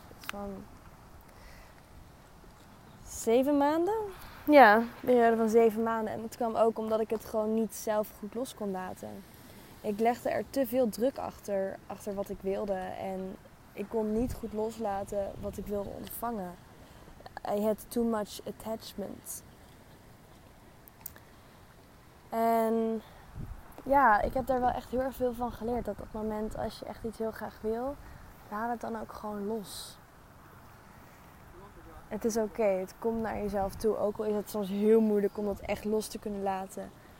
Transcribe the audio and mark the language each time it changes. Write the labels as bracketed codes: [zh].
[nl] Van 7 maanden? Ja, een periode van 7 maanden. En het kwam ook omdat ik het gewoon niet zelf goed los kon laten. Ik legde er te veel druk achter wat ik wilde. En ik kon niet goed loslaten wat ik wilde ontvangen. [en] I had too much attachment. [nl] En ja, ik heb daar wel echt heel erg veel van geleerd. Dat op het moment als je echt iets heel graag wil, laat het dan ook gewoon los. Het is oké, het komt naar jezelf toe. Ook al is het soms heel moeilijk om dat echt los te kunnen laten.